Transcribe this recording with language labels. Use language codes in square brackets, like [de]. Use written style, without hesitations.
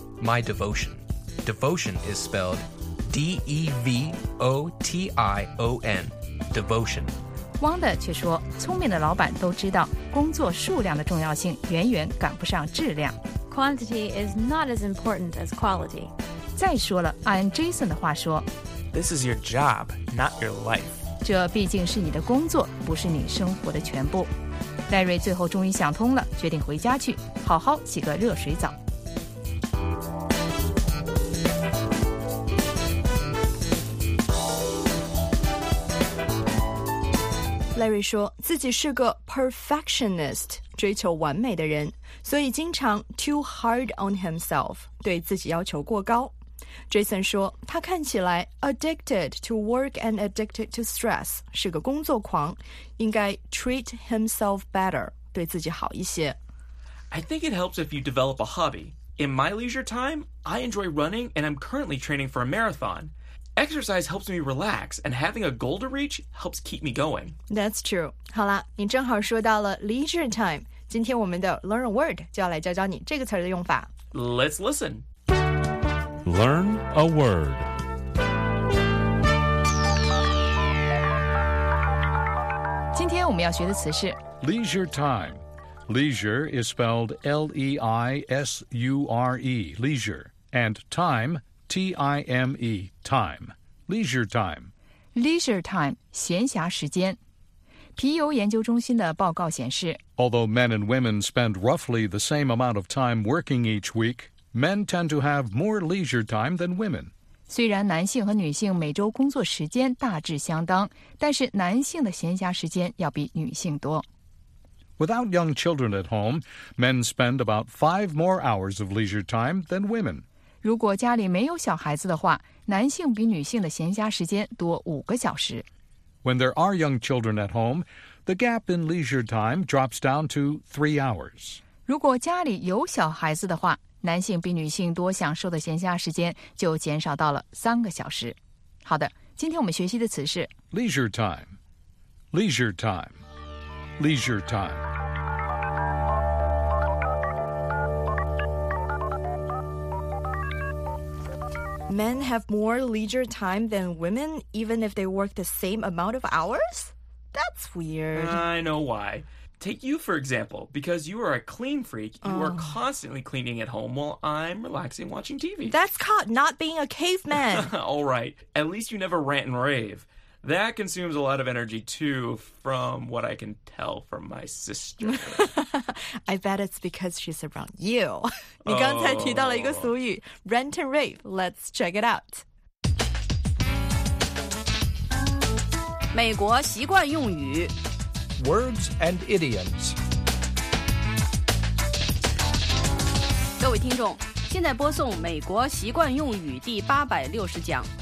[en] My devotion. Devotion is spelled D-E-V-O-T-I-O-N. Devotion. [zh] Wanda 却说聪明的老板都知道工作数量的重要性远远赶不上质量。 [en] Quantity is not as important as quality. [zh] 再说了，按 Jason 的话说 [en] This is your job, not your life. [zh] 这毕竟是你的工作，不是你生活的全部。 Larry 最后终于想通了，决定回家去，好好洗个热水澡。 Larry 说自己是个 perfectionist, 追求完美的人，所以经常 [en] too hard on himself, [zh] 对自己要求过高。 Jason 说他看起来 [en] addicted to work and addicted to stress, [zh] 是个工作狂，应该 [en] treat himself better, [zh] 对自己好一些。 [en] I think it helps if you develop a hobby. In my leisure time, I enjoy running and I'm currently training for a marathon. Exercise helps me relax, and having a goal to reach helps keep me going. That's true. [zh] 好了，你正好说到了 leisure time. 今天我们的 [en] learn a word [zh] 就要来教教你这个词的用法。 [en] Let's listen. Learn a word. Today we're going to learn the word leisure time. Leisure is spelled L-E-I-S-U-R-E, leisure, and time. T-I-M-E, time, leisure time. Leisure time, [zh] 闲暇时间。皮尤研究中心的报告显示 [en] Although men and women spend roughly the same amount of time working each week, men tend to have more leisure time than women. [zh] 虽然男性和女性每周工作时间大致相当，但是男性的闲暇时间要比女性多。 [en] Without young children at home, men spend about 5 more hours of leisure time than women. [zh] 如果家里没有小孩子的话，男性比女性的闲暇时间多五个小时。 [en] When there are young children at home, the gap in leisure time drops down to 3 hours. [zh] 如果家里有小孩子的话，男性比女性多享受的闲暇时间就减少到了三个小时。好的，今天我们学习的词是 [en] leisure time, leisure time, leisure time. Men have more leisure time than women, even if they work the same amount of hours? That's weird. I know why. Take you, for example. Because you are a clean freak, you are constantly cleaning at home while I'm relaxing watching TV. That's called not being a caveman. All right. At least you never rant and rave. That consumes a lot of energy, too, from what I can tell from my sister. I bet it's because she's around you. [zh] 你刚才提到了一个俗语 [en] rant and rave. Let's check it out. [zh] 美国习惯用语 [en] Words and idioms. [zh] 各位听众，现在播送美国习惯用语第860讲。